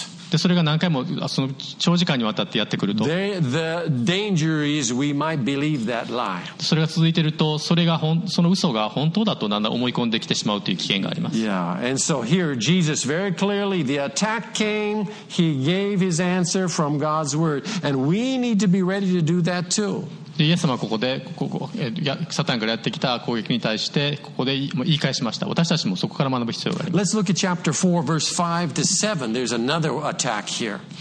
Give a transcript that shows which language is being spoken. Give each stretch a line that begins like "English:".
Japanese: でそれが何回もその長時間にわたってやってくると
English: danger is we might believe that lie.
Japanese: それが続いているとその嘘が本当だとだんだん思い込んできてしまうという危険があります。
English: Yeah, and so here Jesus very clearly the attack came, he gave his answer from God's word, and we need to be ready to do that too.
Japanese: イエス様はここでサタンからやってきた攻撃に対してここで言い返しました。私たちもそこから学ぶ必要があります。
English: Let's look at chapter 4 verse 5 to 7. There's another attack here.